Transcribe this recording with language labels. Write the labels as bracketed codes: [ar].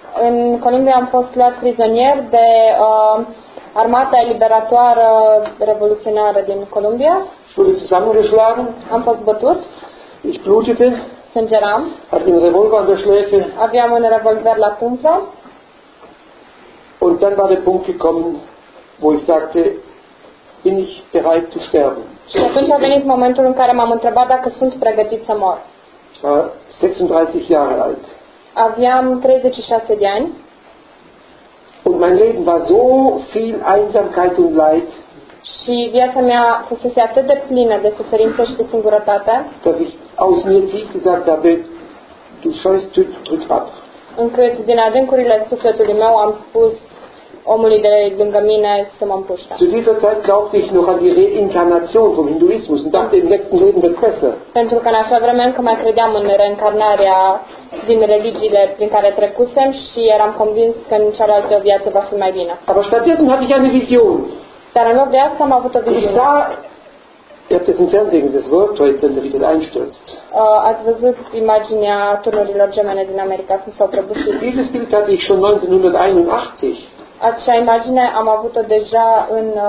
[ro] In Columbia am fost luat prizonier de armata eliberatoare revoluționară din Columbia. [de] Wurde zusammengeschlagen? [ro] Am fost bătut. [de] Ich blutete. [ro] Sângeram. [de] Hatte einen Revolver an der Schläfe. [ro] Aveam un revolver la tâmplă. [de] Und dann war der Punkt gekommen, wo ich sagte, bin ich bereit zu sterben? [ro] Și atunci a venit momentul în care m-am întrebat dacă sunt pregătit să mor. [de] 36 Jahre alt. [ro] Aveam 36 de ani. [de] Und mein Leben war so viel Einsamkeit und Leid. [ro] Și viața mea fusese atât de plină de suferință și de singurătate. [de] Dass ich aus mir tief gesagt habe, du scheißt, drück ab. [ro] Încât din adâncurile sufletului meu am spus omului de lângă mine să mă împuște. [de] Zu dieser Zeit glaubte ich noch an die Reinkarnation vom Hinduismus und dachte, im sechsten Leben wird's besser. [ro] Pentru că în acea vreme încă mai credeam în reîncarnarea din religiile prin care trecusem și eram convins că în cealaltă viață va fi mai bine. [de] Aber stattdessen hatte ich eine Vision. [ro] Dar în loc de asta am avut o viziune. [de] Ich sah, ihr habt es im Fernsehen gesehen, das World Trade Center, wie das einstürzt. [ro] Ați văzut imaginea turnurilor gemene din America, cum s-au prăbușit. [de] Dieses Bild hatte ich schon 1981. [ro] Acea imagine am avut-o deja în